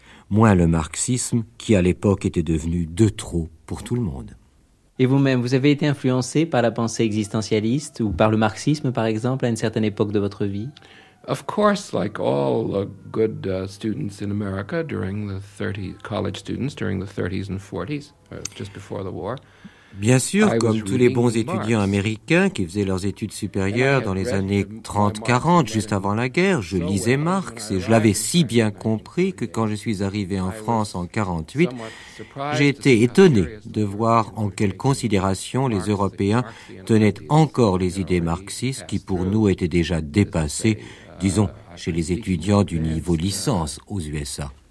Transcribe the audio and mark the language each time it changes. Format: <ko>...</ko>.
<fr>Moins le marxisme, qui à l'époque était devenu de trop pour tout le monde. Et vous-même, vous avez été influencé par la pensée existentialiste ou par le marxisme, par exemple, à une certaine époque de votre vie?</fr> <en>Of course, like all the good students in America during the 30s, college students during the 30s and 40s, just before the war.</en> <fr>Bien sûr, comme tous les bons étudiants américains qui faisaient leurs études supérieures dans les années 30-40, juste avant la guerre, je lisais Marx et je l'avais si bien compris que quand je suis arrivé en France en 48, j'ai été étonné de voir en quelle considération les Européens tenaient encore les idées marxistes qui pour nous étaient déjà dépassées, disons, chez les étudiants du niveau licence aux USA.</fr>